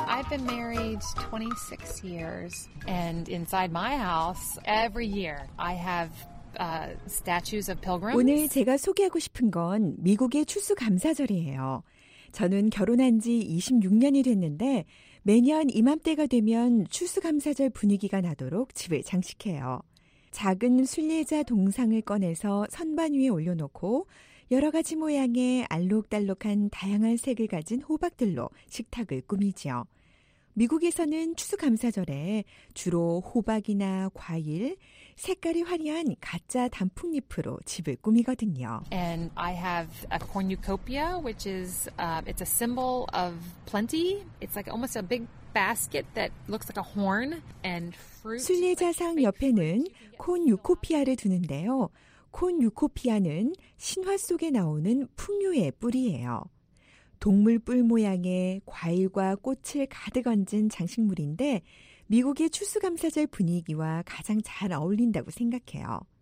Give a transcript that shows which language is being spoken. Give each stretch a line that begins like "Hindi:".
English: I've been married 26 years and inside my house every year I have statues of pilgrims.
Korean: 오늘 제가 소개하고 싶은 건 미국의 추수감사절이에요. 저는 결혼한 지 26년이 됐는데 매년 이맘때가 되면 추수감사절 분위기가 나도록 집을 장식해요. 작은 순례자 동상을 꺼내서 선반 위에 올려놓고 여러 가지 모양의 알록달록한 다양한 색을 가진 호박들로 식탁을 꾸미지요. 미국에서는 추수감사절에 주로 호박이나 과일, 색깔이 화려한 가짜 단풍잎으로 집을 꾸미거든요.
English: And I have a cornucopia, which is it's a symbol of plenty. It's like almost a big basket that looks like a horn and fruit.
Korean: 순례자상 옆에는 콘유코피아를 두는데요. 콘유코피아는 신화 속에 나오는 풍류의 뿌리예요. 동물 뿔 모양의 과일과 꽃을 가득 얹은 장식물인데 미국의 추수감사절 분위기와 가장 잘 어울린다고 생각해요.